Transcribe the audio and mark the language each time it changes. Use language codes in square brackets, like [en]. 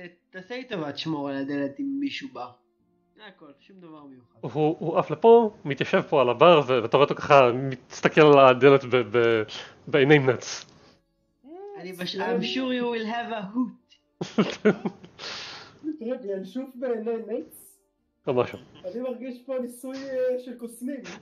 [he] תעשה לי טובה, תשמור על הדלת אם מישהו בא. זה הכל, שום דבר מיוחד. הוא אף לפה, מתיישב פה על הבר, ואתה רואה אותו ככה מסתכל על הדלת בעיני נץ. אני בשביל, [en] I'm sure you will have a hoot. [he] אני אנשוף בעיני נץ? ממש. אני מרגיש פה ניסוי של קוסמים.